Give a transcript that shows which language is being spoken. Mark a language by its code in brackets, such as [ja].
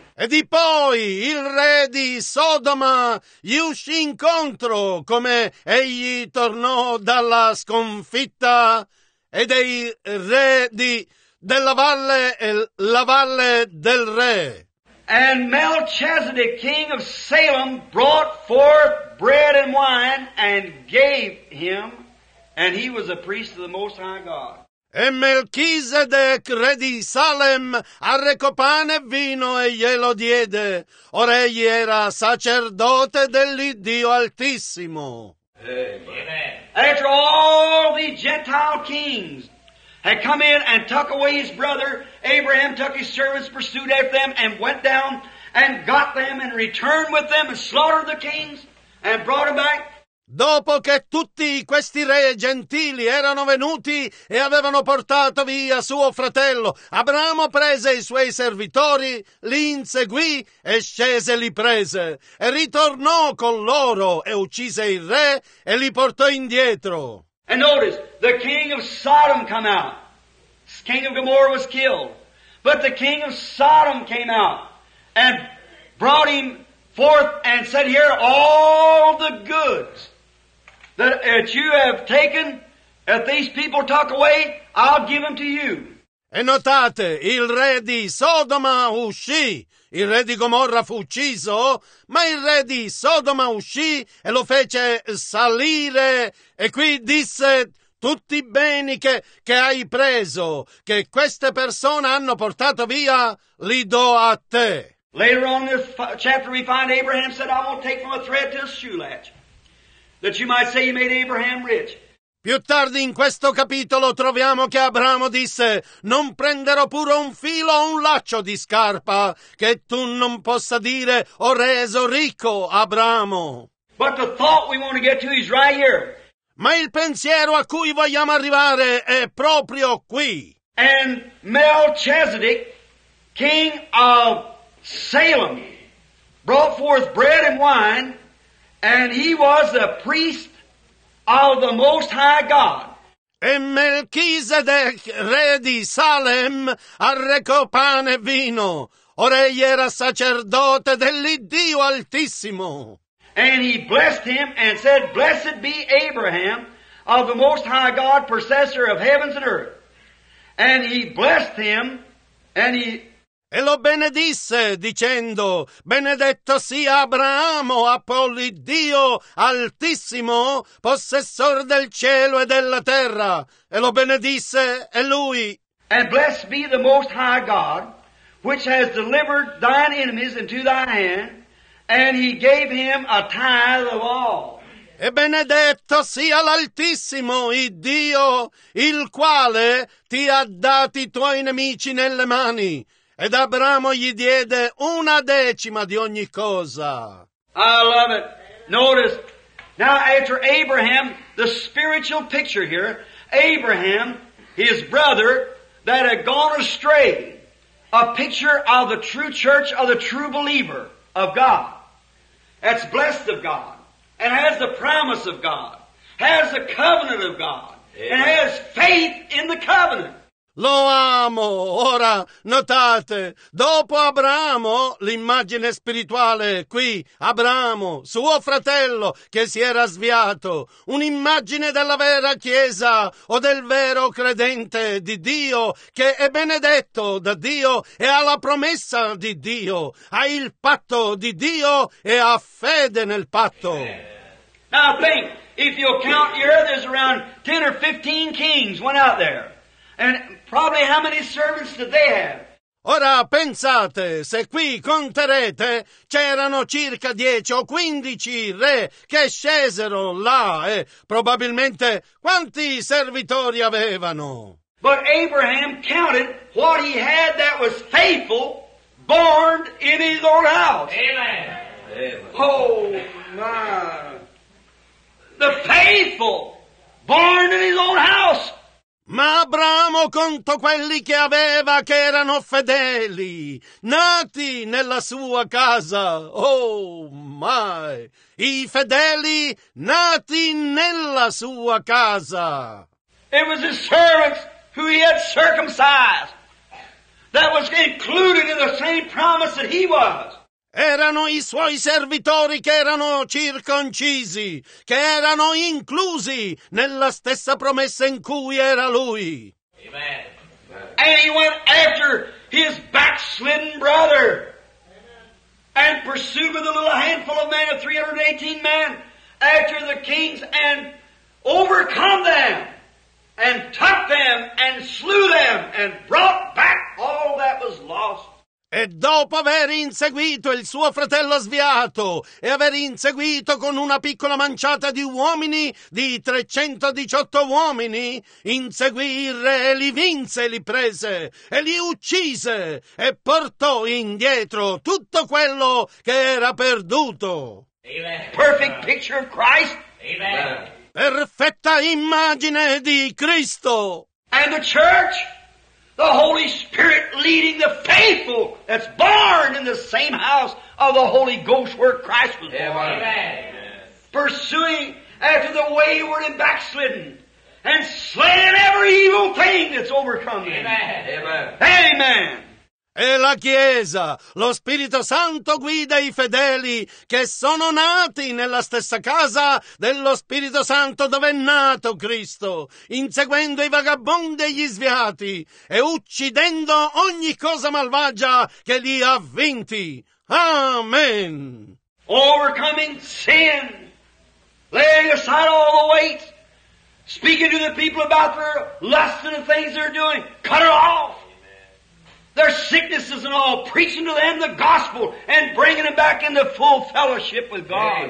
[it] E di poi il re di Sodoma gli uscì incontro come egli tornò dalla sconfitta e dei re di della valle e la valle del re. [en] And Melchizedek, king of Salem, brought forth bread and wine and gave him, and he was a priest of the Most High God. [it] E Melchizedek, re di Salem, arrecò pane e vino e glielo diede. Ora egli era sacerdote dell'Iddio Altissimo. [en] Amen. After all the Gentile kings had come in and took away his brother, Abraham took his servants, pursued after them, and went down and got them and returned with them and slaughtered the kings and brought them back. [it] Dopo che tutti questi re gentili erano venuti e avevano portato via suo fratello, Abramo prese i suoi servitori, li inseguì e scese li prese, e ritornò con loro e uccise il re e li portò indietro. [en] And notice, the king of Sodom came out. The king of Gomorrah was killed. But the king of Sodom came out and brought him forth and said, here are all the goods that you have taken, that these people took away, I'll give them to you. [it] E notate, il re di Sodoma uscì, il re di Gomorra fu ucciso, ma il re di Sodoma uscì e lo fece salire e qui disse, tutti i beni che hai preso, che queste persone hanno portato via, li do a te. [en] Later on in this chapter we find Abraham said, I won't take from a thread to a shoe latch. That you might say you made Abraham rich. [it] Più tardi in questo capitolo troviamo che Abramo disse, non prenderò pure un filo o un laccio di scarpa, che tu non possa dire, ho reso ricco Abramo. [en] But the thought we want to get to is right here. [it] Ma il pensiero a cui vogliamo arrivare è proprio qui. [en] And Melchizedek, king of Salem, brought forth bread and wine, and he was the priest of the Most High God. [it] E Melchizedek, re di Salem, arrecò pane e vino. Ora egli era sacerdote dell'Iddio Altissimo. [en] And he blessed him and said, blessed be Abraham of the Most High God, possessor of heavens and earth. And he blessed him and he... [it] E lo benedisse dicendo, benedetto sia Abramo, appolli Dio Altissimo, possessore del cielo e della terra. E lo benedisse e lui. [en] And blessed be the Most High God, which has delivered thine enemies into thy hand, and he gave him a tithe of all. [it] E benedetto sia l'Altissimo, il Dio, il quale ti ha dati i tuoi nemici nelle mani. Ed Abramo gli diede una decima di ogni cosa. [en] I love it. Notice, now after Abraham, the spiritual picture here, Abraham, his brother, that had gone astray, a picture of the true church, of the true believer of God, that's blessed of God, and has the promise of God, has the covenant of God, amen, and has faith in the covenant. [it] Lo amo. Ora, notate, dopo Abramo, l'immagine spirituale qui, Abramo, suo fratello che si era sviato, un'immagine della vera chiesa o del vero credente di Dio che è benedetto da Dio e ha la promessa di Dio, ha il patto di Dio e ha fede nel patto. [en] Now think, If you'll count the earth, there's around 10 or 15 kings went out there. And probably how many servants did they have? [it] Ora pensate, se qui conterete, c'erano circa 10 o 15 re che scesero là e probabilmente quanti servitori avevano? [en] But Abraham counted what he had that was faithful, born in his own house. Amen. Oh, my. The faithful, born in his own house. [it] Ma Abramo contò quelli che aveva, che erano fedeli, nati nella sua casa. [en] Oh, my. [it] I fedeli nati nella sua casa. [en] It was his servants who he had circumcised that was included in the same promise that he was. [it] Erano i suoi servitori che erano circoncisi, che erano inclusi nella stessa promessa in cui era lui. [en] Amen. And he went after his backslidden brother. Amen. And pursued with a little handful of men, of 318 men, after the kings, and overcome them, and took them, and slew them, and brought back all that was lost. [it] E dopo aver inseguito il suo fratello sviato e aver inseguito con una piccola manciata di uomini, di 318 uomini, inseguì il re e li vinse, li prese e li uccise e portò indietro tutto quello che era perduto. [en] Amen. Perfect picture of Christ. Amen. [it] Perfetta immagine di Cristo. [en] And the church? The Holy Spirit leading the faithful that's born in the same house of the Holy Ghost where Christ was born. Amen. Pursuing after the wayward and backslidden and slaying every evil thing that's overcome them. Amen. Amen. [it] E la Chiesa, lo Spirito Santo guida i fedeli che sono nati nella stessa casa dello Spirito Santo dove è nato Cristo, inseguendo i vagabondi e gli sviati e uccidendo ogni cosa malvagia che li ha vinti. [en] Amen. Overcoming sin, laying aside all the weights, speaking to the people about their lust and the things they're doing, cut it off. Their sicknesses and all, preaching to them the gospel and bringing them back into full fellowship with God.